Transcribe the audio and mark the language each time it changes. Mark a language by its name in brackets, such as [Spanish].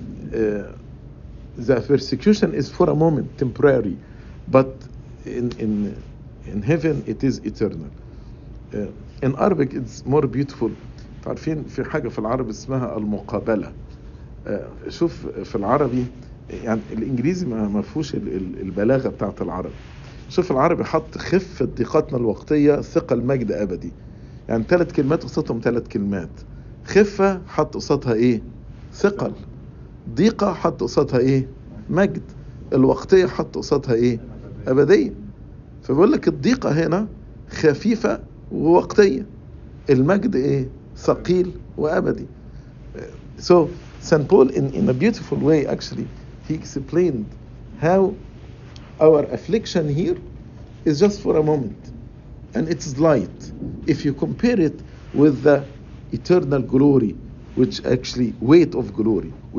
[English] The persecution is for a moment, temporary, but in heaven it is eternal. In Arabic it's more beautiful. [Arabic] تعرفين في حاجة في العرب اسمها المقابلة. شوف في العربي, يعني الإنجليزي ما فيهوش البلاغة بتاعت العرب. شوف العربي حط خف ضيقتنا الوقتية ثقة المجد أبدي. يعني ثلاث كلمات قصتهم ثلاث كلمات. خفة حط قصتها إيه؟ ثقل. ضيقة حط قصتها إيه؟ مجد. الوقتية حط قصتها إيه؟ أبدية. فبقول لك الضيقة هنا خفيفة ووقتية, المجد إيه؟ ثقيل وأبدي. [English] So St. Paul in a beautiful way actually he explained how our affliction here is just for a moment and it's light if you compare it with the eternal glory, which actually weight of glory.